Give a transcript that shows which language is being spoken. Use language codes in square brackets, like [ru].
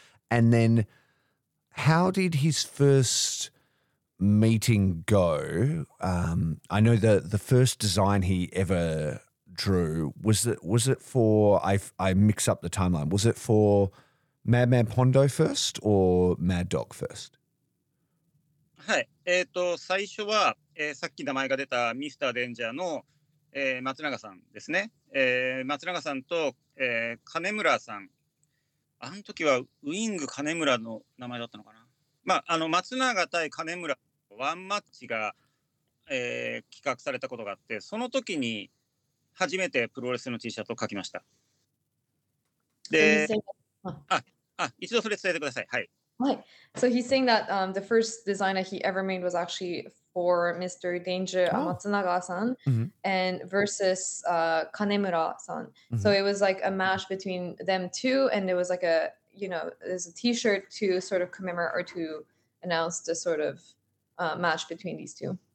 [en] And then how did his first meeting go? I know the first design he ever drew, was it for, I mix up the timeline, was it for Madman Pondo first or Mad Dog first? [ja] はい、最初は、さっき名前が出たミスターデンジャーの、松永さんですね、松永さんと、金村さん、あの時はウィング金村の名前だったのかな、まあ、あの松永対金村ワンマッチが、企画されたことがあって、その時に初めてプロレスの T シャツを描きました。で、一度それ伝えてください。はい。 [en] Right. So he's saying that the first design that he ever made was actually for Mr. Danger Matsunaga-san and versus Kanemura-san. Mm-hmm. So it was like a match between them two, and it was like a, you know, there's a t-shirt to sort of commemorate or to announce the sort of match between these two.